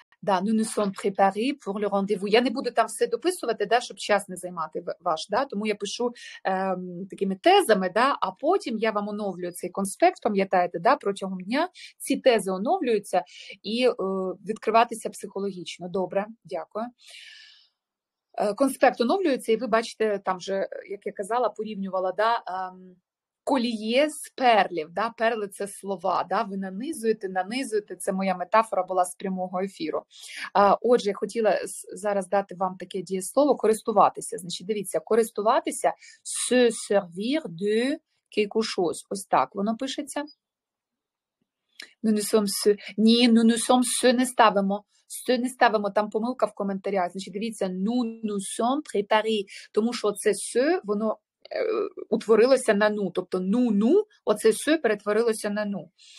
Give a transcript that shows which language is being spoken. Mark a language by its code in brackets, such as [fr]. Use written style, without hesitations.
[uk] Да, [fr] «nous sommes préparés pour le rendez-vous». [uk] Я не буду там все дописувати, да, щоб час не займати ваш, да? Тому я пишу такими тезами, да? А потім я вам оновлюю цей конспект, пам'ятаєте, да? Протягом дня ці тези оновлюються і відкриватися психологічно. Добре, дякую. Конспект оновлюється, і ви бачите, там вже, як я казала, порівнювала, да, коліє з перлів, да? Перли – це слова, да? Ви нанизуєте, це моя метафора була з прямого ефіру. Отже, я хотіла зараз дати вам таке дієслово «користуватися». Значить, дивіться, «користуватися» – [fr] «se servir de quelque chose». [uk] Ось так воно пишеться. Ні, [fr] «nous sommes se» [uk] не ставимо. «Se» не ставимо, там помилка в коментарях. Значить, дивіться, [fr] «nous sommes préparés», [uk] тому що це «se», воно утворилося на ну. Тобто ну-ну, оце «су» перетворилося на ну.